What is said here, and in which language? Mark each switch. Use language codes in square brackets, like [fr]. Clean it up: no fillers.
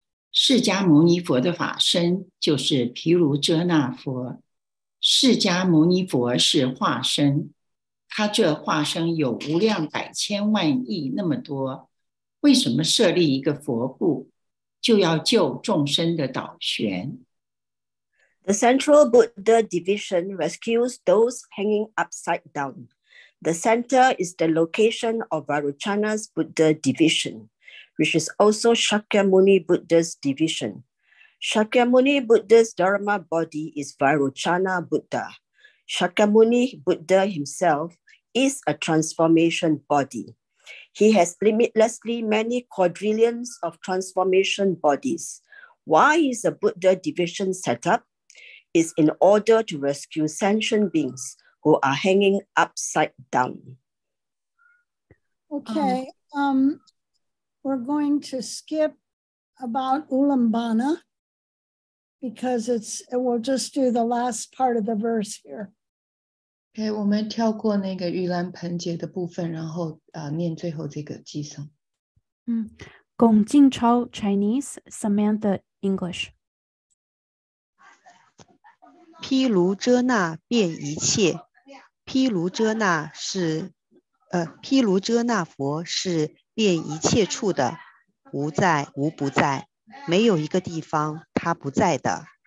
[zh] 释迦牟尼佛的法身就是毗卢遮那佛，释迦牟尼佛是化身，他这化身有无量百千万亿那么多，为什么设立一个佛部，就要救众生的导旋？ [en] The central Buddha division rescues those hanging upside down. The center is the location of Varuchana's Buddha division, which is also Shakyamuni Buddha's division. Shakyamuni Buddha's Dharma body is Varuchana Buddha. Shakyamuni Buddha himself is a transformation body. He has limitlessly many quadrillions of transformation bodies. Why is a Buddha division set up? Is in order to rescue sentient beings who are hanging upside down. Okay, we're going to skip about Ulambana because we'll just do the last part of the verse here. [zh] Okay, 我们跳过那个玉兰盆节的部分，然后念最后这个偈颂。 [en] 龚静超 Chinese, Samantha English. [zh] 毗卢遮那遍一切，毗卢遮那佛是遍一切处的，无在无不在，没有一个地方他不在的。